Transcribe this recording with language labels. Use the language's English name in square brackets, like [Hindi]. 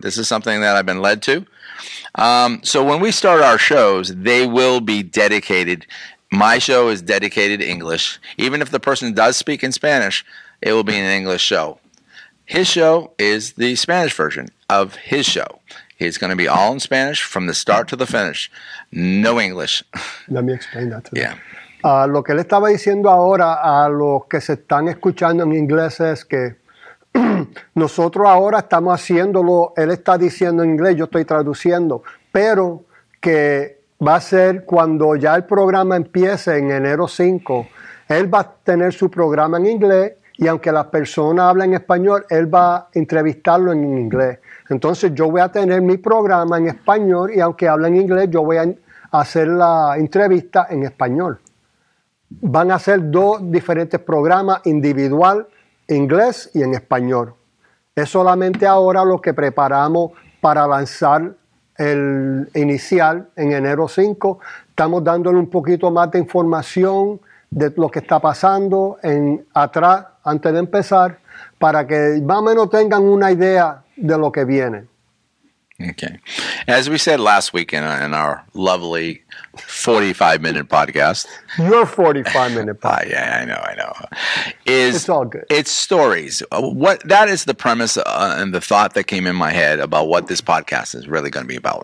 [English] This is something that I've been led to. So when we start our shows, they will be dedicated. My show is dedicated English. Even if the person does speak in Spanish, it will be an English show. His show is the Spanish version of his show. It's going to be all in Spanish from the start to the finish. No English. Let me explain that to them. Yeah. [Spanish] Lo que le estaba diciendo ahora a los que se están escuchando en inglés es que nosotros ahora estamos haciéndolo, él está diciendo en inglés, yo estoy traduciendo, pero que va a ser cuando ya el programa empiece en enero 5, él va a tener su programa en inglés y aunque las personas hablen español, él va a entrevistarlo en inglés. Entonces yo voy a tener mi programa en español y aunque hablen inglés, yo voy a hacer la entrevista en español. Van a ser dos diferentes programas individual. Inglés y en español. Es solamente ahora lo que preparamos para lanzar el inicial en enero 5. Estamos dándole un poquito más de información de lo que está pasando en atrás antes de empezar para que más o menos tengan una idea de lo que viene. [English] Okay. As we said last week in our lovely 45-minute podcast. Your 45-minute podcast. Yeah, I know. It's all good. It's stories. That is the premise and the thought that came in my head about what this podcast is really going to be about.